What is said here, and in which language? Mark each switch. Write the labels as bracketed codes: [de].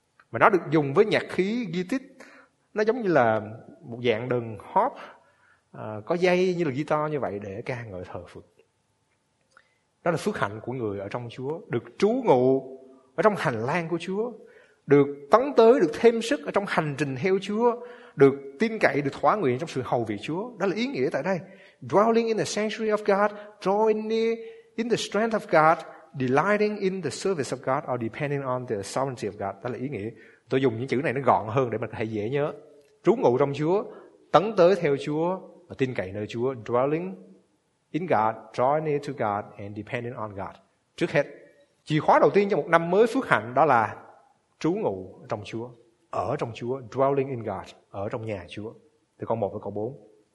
[vi] Và nó được dùng với nhạc khí Gittit. Nó giống như là một dạng đờn hóp có dây như là guitar như vậy để ca ngợi thờ phượng. Đó là phước hạnh của người ở trong Chúa, được trú ngụ ở trong hành lang của Chúa, được tấn tới, được thêm sức ở trong hành trình theo Chúa, được tin cậy, được thỏa nguyện trong sự hầu vị Chúa. Đó là ý nghĩa tại đây. [en] Dwelling in the sanctuary of God, drawing near in the strength of God, delighting in the service of God, or depending on the sovereignty of God. [vi] Đó là ý nghĩa. Tôi dùng những chữ này nó gọn hơn để mình có thể dễ nhớ. Trú ngụ trong Chúa, tấn tới theo Chúa và tin cậy nơi Chúa. [en] Dwelling in God, drawing near to God, and depending on God. [vi] Trước hết, chìa khóa đầu tiên cho một năm mới phước hạnh đó là trú ngụ trong Chúa, ở trong Chúa, [en] dwelling in God, [vi] ở trong nhà Chúa. Từ câu 1 đến câu 4.